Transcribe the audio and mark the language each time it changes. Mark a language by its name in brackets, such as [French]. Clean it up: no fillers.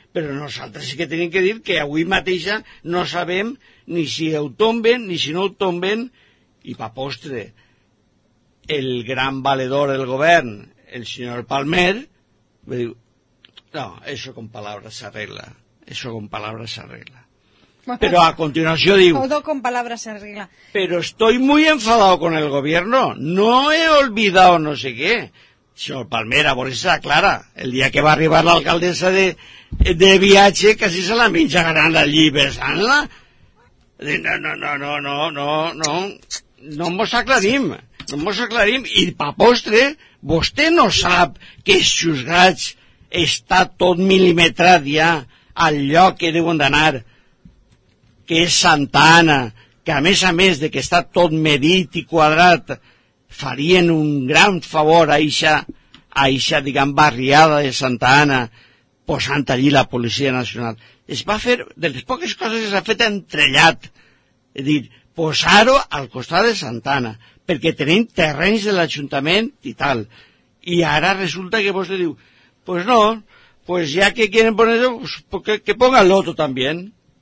[Catalan] Però nosaltres sí que tenim que dir que avui mateixa no sabem ni si ho tomben, ni si no ho tomben, i pa postre, el gran valedor del govern, el senyor Palmer, me diu, no, això [Spanish] con palabras [Catalan] s'arregla, això [Spanish] con palabras [Catalan] s'arregla. Però a continuació diu... [Spanish] Todo con palabras [Catalan] s'arregla. Però [Spanish] estoy muy enfadado con el gobierno, no he olvidado no sé qué. [Catalan] Senyor Palmer, a veure si s'aclara, el dia que va arribar l'alcaldessa de viatge, quasi se la menja gran allí besant-la... No, no, no, no, no, no, no, no mos aclarim. mos aclarim, i pa postre, vostè no sap que els juzgats està tot mil·limetrat ja al lloc que deuen d'anar, que és Santa Anna, que a més de que està tot medit i quadrat, farien un gran favor a eixa, diguem, barriada de Santa Anna, posant allí la Policia Nacional. Es va fer, de les poques coses que s'ha fet entrellat, és a dir, posar-ho al costat de Santa Anna, perquè tenim terrenys de l'Ajuntament i tal. I ara resulta que vostè diu, [Spanish] pues no, pues ya que quieren ponerlo, pues que ponga el otro también.